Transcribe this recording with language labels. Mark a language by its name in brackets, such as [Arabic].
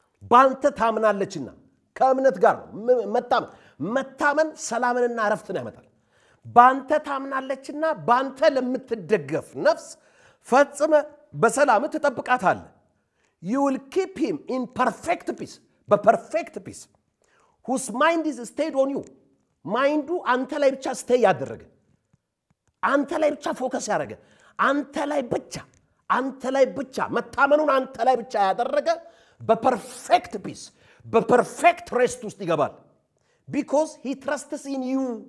[Amharic] ባንተ ታምናለችና ከእምነት ጋር መታመን ሰላምንና ረፍትን ያመጣል። ባንተ ታምናለችና ባንተ ለምትደገፍ ነፍስ ፈጽመ በሰላም ትጠብቃታል። [English] You will keep him in perfect peace. በperfect peace whose mind is stayed on you. [Amharic] ማይንዱ አንተ ላይ ብቻ stay ያደረገ፣ አንተ ላይ ብቻ ፎከስ ያደረገ፣ አንተ ላይ ብቻ መታመኑን አንተ ላይ ብቻ ያደረገ በperfect peace በperfect rest ውስጥ ይገባል። [English] Because he trusts in you.